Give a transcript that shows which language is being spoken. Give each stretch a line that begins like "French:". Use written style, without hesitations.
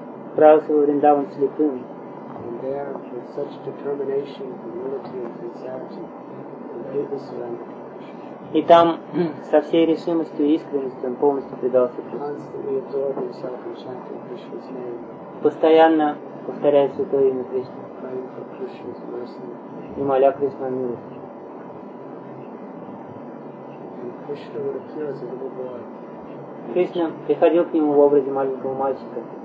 Russian: Отправился во Вриндаван слепым.
English: And there, with such determination, humility, and sincerity, completely surrendered.
Russian: И там со всей решимостью и искренностью он полностью предался Кришне.
English: Constantly absorbed himself in chanting Krishna's name.
Russian: Постоянно повторяя святое имя Кришны.
English: Praying for Krishna's mercy.
Russian: И моля Кришну о милости.
English: And Krishna would appear as a little boy.
Russian: Кришна приходил к нему в образе маленького мальчика.